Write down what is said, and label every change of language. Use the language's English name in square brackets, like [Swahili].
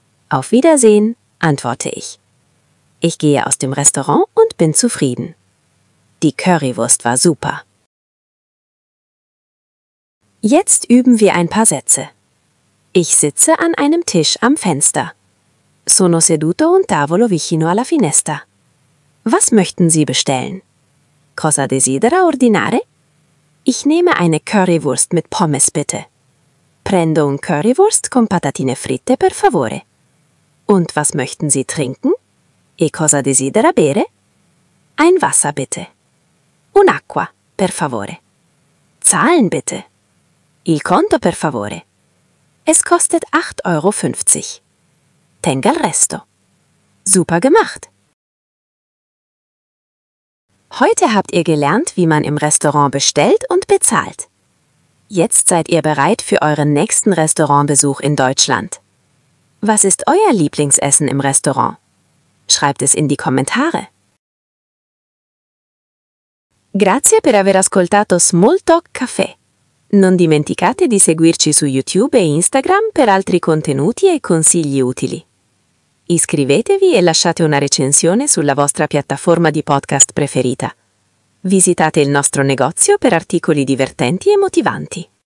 [German] Auf Wiedersehen, antworte ich. Ich gehe aus dem Restaurant und bin zufrieden. Die Currywurst war super. Jetzt üben wir ein paar Sätze. Ich sitze an einem Tisch am Fenster. [Italian] Sono seduto un tavolo vicino alla finestra. [German] Was möchten Sie bestellen? [Italian] Cosa desidera ordinare? [German] Ich nehme eine Currywurst mit Pommes, bitte. [Italian] Prendo un Currywurst con patatine fritte, per favore. [German] Und was möchten Sie trinken? [Italian] E cosa desidera bere? [German] Ein Wasser, bitte. [Italian] Un acqua, per favore. [German] Zahlen, bitte. [Italian] Il conto, per favore. [German] Es kostet 8,50 Euro. [Italian] Tenga il resto. [German] Super gemacht! Heute habt ihr gelernt, wie man im Restaurant bestellt und bezahlt. Jetzt seid ihr bereit für euren nächsten Restaurantbesuch in Deutschland. Was ist euer Lieblingsessen im Restaurant? Schreibt es in die Kommentare. [Italian] Grazie per aver ascoltato Small Talk Café. Non dimenticate di seguirci su YouTube e Instagram per altri contenuti e consigli utili. Iscrivetevi e lasciate una recensione sulla vostra piattaforma di podcast preferita. Visitate il nostro negozio per articoli divertenti e motivanti.